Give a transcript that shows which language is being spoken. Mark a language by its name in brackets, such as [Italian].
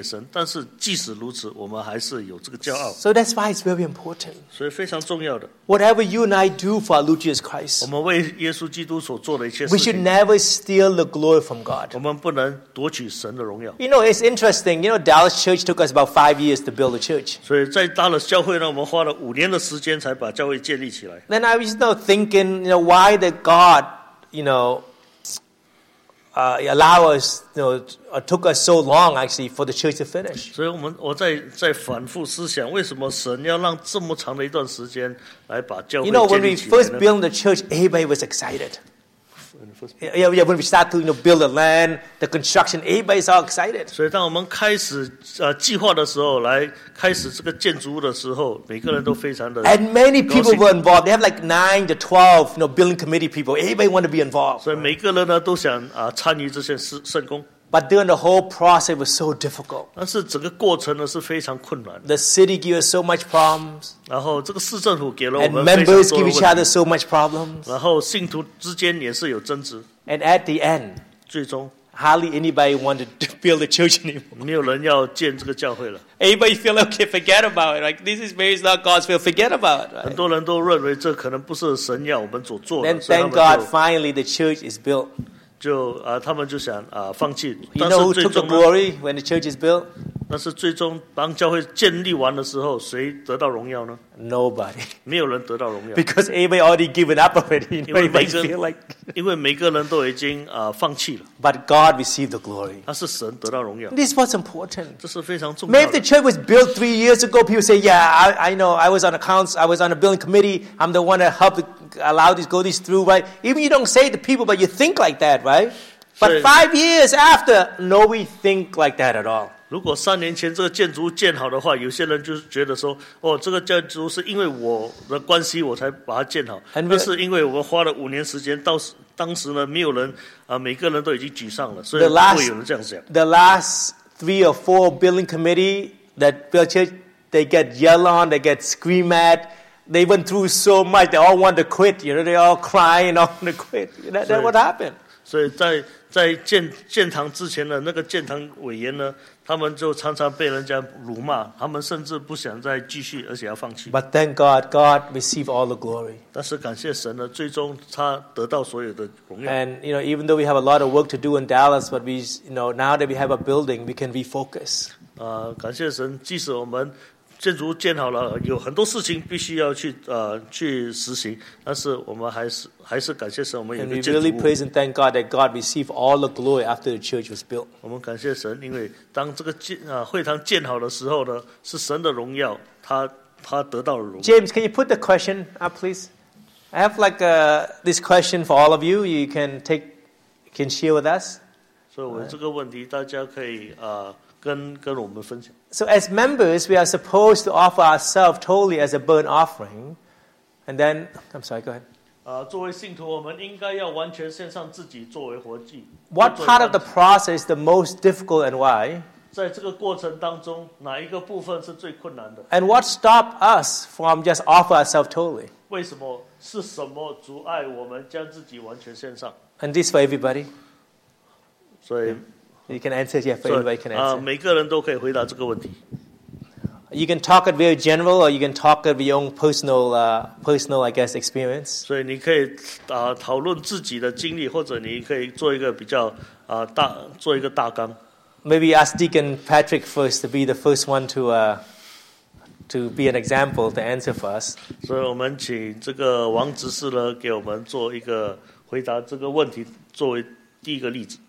[Chinese] 所以有时候我们觉得我们没有这个恩赐，没有东西献给神，但是即使如此，我们还是有这个骄傲。 [English] So that's why it's very important. [Chinese] 所以非常重要的。 [English] Whatever you and I do for our Lord Jesus Christ, [Chinese] 我们为耶稣基督所做的一切事情, [English] we should never steal the glory from God. [Chinese] 我们不能夺取神的荣耀。 [English] You know, it's interesting. You know, Dallas Church took us about 5 years to build a church. [Chinese] 所以在Dallas教会呢, 我们花了5年的时间才把教会建立起来。 [English] Then I was now thinking, you know, why did God, you know, allow us, you know, took us so long actually for the church to finish. [Chinese] 所以我在反复思想，为什么神要让这么长的一段时间来把教会建立起来呢？ [English] You know, when we first built the church, everybody was excited. first place. Yeah, when we start to build the land, the construction, everybody is all excited. [Chinese] 所以当我们开始, 计划的时候, 来开始这个建筑物的时候, [English] and many people were involved. They have like 9 to 12 building committee people. Everybody want to be involved. [Chinese] 所以每个人呢, 都想, 参与这些圣工。 [English] But during the whole process, it was so difficult. [Chinese] 但是整个过程呢, [English] the city gave us so much problems. [Chinese] 然后这个市政府给了我们 [English] and members gave each other so much problems. [Chinese] 然后信徒之间也是有争执。 [English] And at the end, [Chinese] 最终, [English] hardly anybody wanted to build a church anymore. [Chinese] 没有人要建这个教会了。 [English] Everybody feel okay, forget about it. Like, this is maybe not God's will, forget about it. Right? [Chinese] 很多人都认为这可能不是神要我们所做的, [English] then thank God, finally, the church is built. [Chinese] 就, 他们就想, 放弃, [English] you know who took the glory when the church is built? [Chinese] 但是最终当教会建立完的时候, 谁得到荣耀呢? [English] Nobody. [Chinese] 没有人得到荣耀。 [English] Because everybody already given up already. [Chinese] 因为每个人都已经, 放弃了。 [English] But God received the glory. [Chinese] 但是神得到荣耀。 [English] This was important. [Chinese] 这是非常重要的。 [English] Maybe if the church was built 3 years ago, people say, yeah, I know, I was on a council, I was on a building committee, I'm the one that helped allow this, go this through, right? Even you don't say to people, but you think like that, right? But 5 years after, no, we think like that at all. [Chinese] 如果3年前这个建筑建好的话, 有些人就觉得说, 哦, 这个建筑是因为我的关系, 我才把它建好, 但是因为我们花了5年时间, 当时呢, 没有人, 每个人都已经沮丧了, 所以不会有人这样想。 [English] The last 3 or 4 building committee that built church, they get yelled on, they get screamed at, they went through so much, they all want to quit, you know, they all cry and all want to quit. That's what happened. [Chinese] 所以在建堂之前呢, 那个建堂委员呢, 他们就常常被人家辱骂, 他们甚至不想再继续, 而且要放弃。 [English] But thank God, God received all the glory. [Chinese] 但是感谢神呢, 最终他得到所有的荣耀。 [English] And you know, even though we have a lot of work to do in Dallas, but we, you know, now that we have a building, we can refocus. [Chinese] 感谢神, 即使我们 建筑建好了，有很多事情必须要去实行。但是我们还是感谢神， 我们有一个建筑物。 [English] Can we really praise and thank God that God received all the glory after the church was built? [Chinese] 我们感谢神， 因为当这个会堂建好的时候呢， 是神的荣耀， 他得到了荣耀。 [English] James, can you put the question up, please? I have like this question for all of you. You can take, can share with us. [Chinese] 所以我这个问题， 大家可以 跟我们分享。 [English] So as members, we are supposed to offer ourselves totally as a burnt offering. And then, I'm sorry, go ahead. [Chinese] 作为信徒，我们应该要完全献上自己作为活祭。 [English] What part of the process is the most difficult and why? [Chinese] 在这个过程当中，哪一个部分是最困难的？ [English] And what stopped us from just offer ourselves totally? [Chinese] 为什么，是什么阻碍我们将自己完全献上？ [English] And this for everybody. [Chinese] 所以, [English] you can answer, yeah, for everybody can answer. [Chinese] 每个人都可以回答这个问题。 [English] You can talk it very general, or you can talk it with your own personal, I guess, experience. [Chinese] 所以你可以, 讨论自己的经历, 或者你可以做一个比较, 做一个大纲。 [English] Maybe ask Deacon Patrick first to be the first one to be an example, to answer for us. [Chinese] 所以我们请这个王执事呢, 给我们做一个回答这个问题, 作为第一个例子。